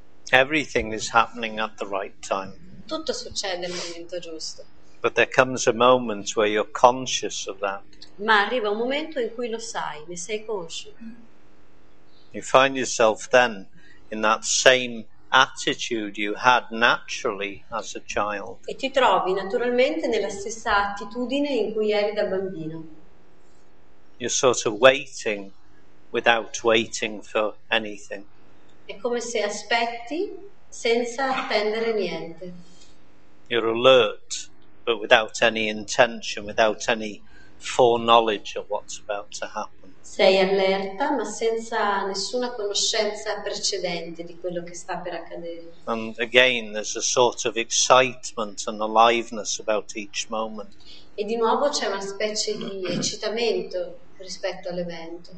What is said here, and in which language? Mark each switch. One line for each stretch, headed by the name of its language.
English: Everything is happening at the right time.
Italian: Tutto succede al momento giusto.
English: But there comes a moment where you're conscious of that.
Italian: Ma arriva un momento in cui lo sai, ne sei conscio.
English: You find yourself then in that same attitude you had naturally as a child.
Italian: E ti trovi naturalmente nella stessa attitudine in cui eri da bambino.
English: You're sort of waiting without waiting for anything.
Italian: È come se aspetti senza attendere niente.
English: You're alert, but without any intention, without any foreknowledge of what's about to happen.
Italian: Sei allerta, ma senza nessuna conoscenza precedente di quello che sta per accadere.
English: And again, there's a sort of excitement and aliveness about each moment.
Italian: E di nuovo c'è una specie di eccitamento rispetto all'evento.